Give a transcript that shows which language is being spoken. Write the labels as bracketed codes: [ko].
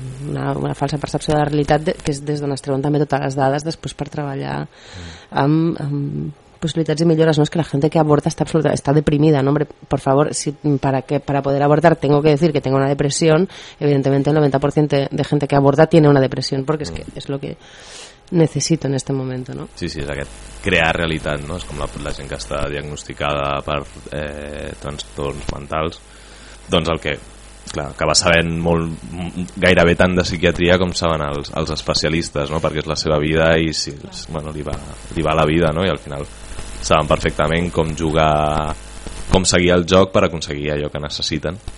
[ca] una falsa percepció de la realitat, que és des d'on es treuen també totes les dades després per treballar amb possibilitats i millores, no? És que la gent que aborta està absoluta, està deprimida, no? [es] Hombre, por favor, si para poder abortar tengo que decir que tengo una depresión, evidentemente el 90% de gente que aborta tiene una depresión, porque es que es lo que necesito en este momento, ¿no? [ca] Sí, sí, és aquest crear realitat, no? És com la gent que està diagnosticada per trastorns mentals, doncs el que, clar, acaba sabent molt, gairebé tant de psiquiatria com saben els especialistes, no? Perquè és la seva vida i si, bueno, li va la vida, no? I al final saben perfectament com jugar, com seguir el joc per aconseguir allò que necessiten.